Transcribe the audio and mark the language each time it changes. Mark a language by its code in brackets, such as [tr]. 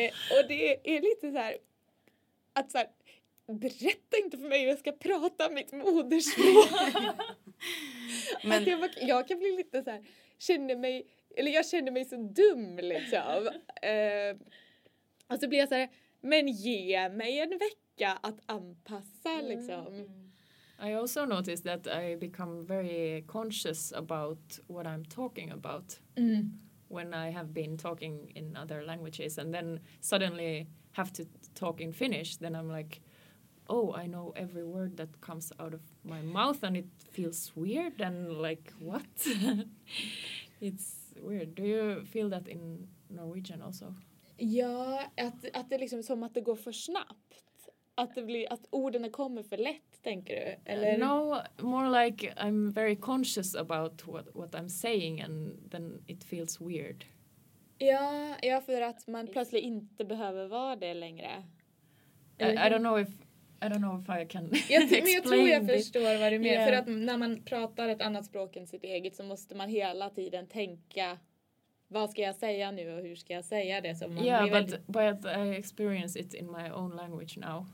[sv] Och det är lite så här, att så här, berätta inte för mig hur jag ska prata mitt modersmål. Men jag kan bli lite så här, jag känner mig så dum liksom. Och så blir jag så här, men ge mig en vecka att anpassa liksom. [en] I also noticed that I become very conscious about what I'm talking about when I have been talking in other languages and then suddenly have to talk in Finnish, then I'm like, oh, I know every word that comes out of my mouth and it feels weird and like, what? It's weird. Do you feel that in Norwegian also? [sv] Ja, att det liksom som att det går för snabbt. Att orden kommer för lätt, tänker du? Eller? [en] No, more like I'm very conscious about what I'm saying and then it feels weird. [sv] Ja, för att man plötsligt inte behöver vara det längre. [en] I don't know if I can explain. [sv] Jag tror jag förstår vad du menar. Yeah. För att när man pratar ett annat språk än sitt eget så måste man hela tiden tänka, vad ska jag säga nu och hur ska jag säga det? Så man [en] but I experience it in my own language now.